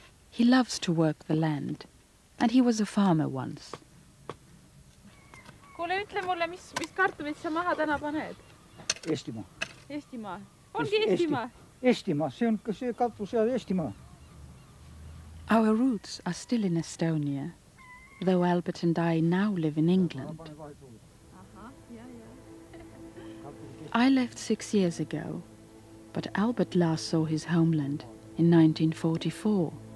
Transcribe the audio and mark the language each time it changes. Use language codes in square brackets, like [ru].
[en] He loves to work the land, and he was a farmer once. [et] Kuule, ütle mulle, mis kartumid sa maha täna paned? Eestimaa. Eestimaa. Ongi Eestimaa. Eestimaa, see on ka see kartus ja Eestimaa. [en] Our roots are still in Estonia, though Albert and I now live in England. I left 6 years ago, but Albert last saw his homeland in 1944.